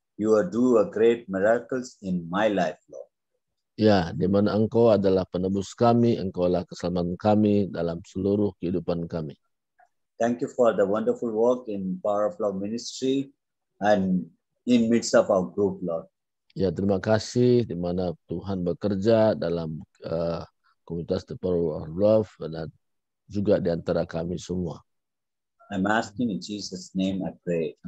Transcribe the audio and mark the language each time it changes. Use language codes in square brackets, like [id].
[en] You are do a great miracles in my life, Lord. [id] Ya, di mana Engkau adalah penebus kami, Engkaulah keselamatan kami dalam seluruh kehidupan kami. [en] Thank you for the wonderful work in Power of Love Ministry and in midst of our group, Lord. [id] Ya, terima kasih di mana Tuhan bekerja dalam komunitas The Power of Love dan juga di antara kami semua. [en] I'm asking in Jesus' name, I pray.